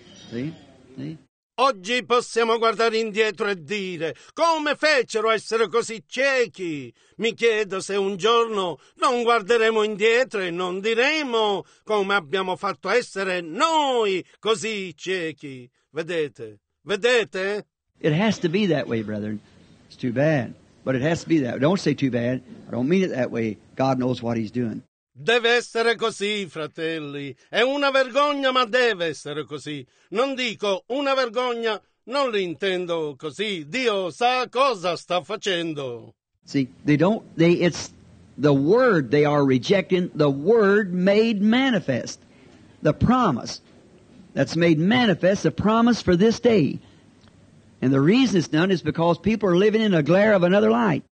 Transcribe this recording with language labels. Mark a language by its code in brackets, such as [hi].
[en] See? See? [it] Oggi possiamo guardare indietro e dire, come fecero a essere così ciechi? Mi chiedo se un giorno non guarderemo indietro e non diremo come abbiamo fatto a essere noi così ciechi. Vedete? Vedete? [en] It has to be that way, brethren. It's too bad. But it has to be that way. Don't say too bad. I don't mean it that way. God knows what he's doing. [it] Deve essere così, fratelli. È una vergogna, ma deve essere così. Non dico una vergogna, non l'intendo così. Dio sa cosa sta facendo. [en] See, it's the word they are rejecting, the word made manifest. The promise that's made manifest, the promise for this day. And the reason it's done is because people are living in a glare of another light.